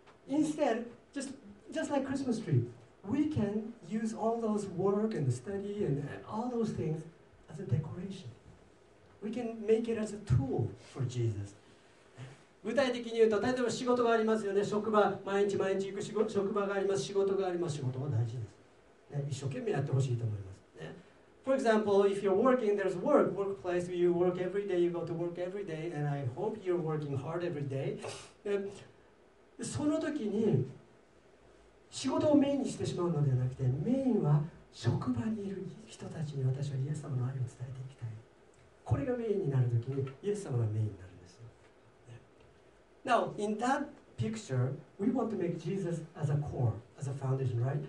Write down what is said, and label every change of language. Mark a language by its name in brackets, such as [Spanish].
[English] Instead, just like Christmas tree, we can use all those work and study and all those things as a decoration. We can make it as a tool for Jesus. [Japanese] 具体的に言うと、例えば仕事がありますよね。職場、毎日毎日行く仕事、職場があります。仕事があります。仕事は大事です。ね、一生懸命やってほしいと思います。ね、 [English] for example, if you're working, there's work. Workplace, you work every day, you go to work every day, and I hope you're working hard every day. [Japanese] その時に、仕事をメインにしてしまうのではなくて、メインは職場にいる人たちに私はイエス様の愛を伝えていきたい。メインになるときにイエス様がメインになるんですよ、ね、 [English] Now, in that picture, we want to make Jesus as a core, as a foundation, right?